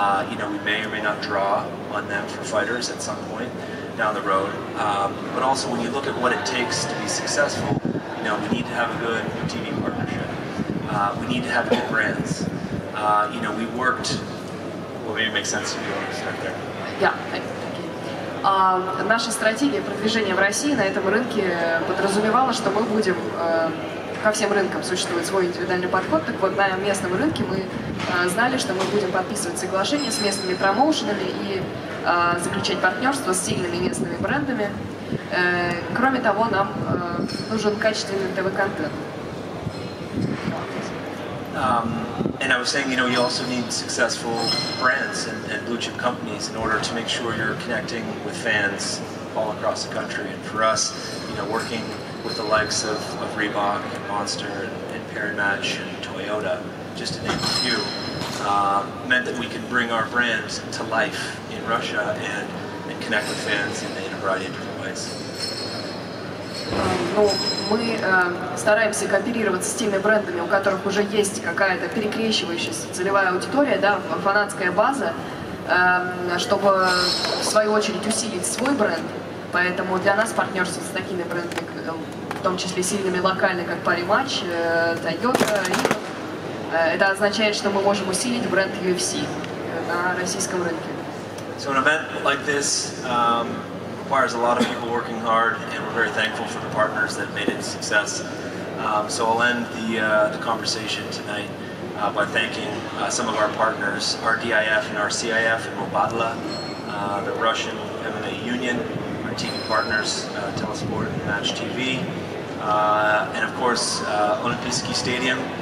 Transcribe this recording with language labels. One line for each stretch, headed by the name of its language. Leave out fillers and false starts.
English: You know, we may or may not draw on them for fighters at some point down the road. But also, when you look at what it takes to be successful, you know, we need to have a good TV partnership. We need to have good brands. You know, we worked, well, maybe it makes sense if you want to start there. Yeah, thank you.
Russian: Наша стратегия продвижения в России на этом рынке подразумевала, что мы будем ко всем рынкам существовать свой индивидуальный подход. Так вот, на местном рынке мы знали, что мы будем подписывать соглашения с местными промоушенами и заключать партнерство с сильными местными брендами. Кроме того, нам нужен качественный ТВ-контент.
English: And I was saying, you know, you also need successful brands and blue chip companies in order to make sure you're connecting with fans all across the country. And for us, you know, working with the likes of Reebok and Monster and Parimatch and Toyota, just to name a few, meant that we could bring our brands to life in Russia and connect with fans in a variety of different ways.
Russian: Ну, мы стараемся кооперироваться с теми брендами, у которых уже есть какая-то перекрещивающаяся целевая аудитория, да, фанатская база, чтобы в свою очередь усилить свой бренд. Поэтому для нас партнерство с такими брендами, в том числе сильными локальными, как Parimatch, Toyota, это означает, что мы можем усилить бренд UFC на российском рынке.
English: So an event like this, requires a lot of people working hard, and we're very thankful for the partners that made it a success. So I'll end the conversation tonight by thanking some of our partners, RDIF and RCIF and Mobadla, the Russian MMA Union, our TV partners, Telesport and Match TV, and of course, Olympiski Stadium.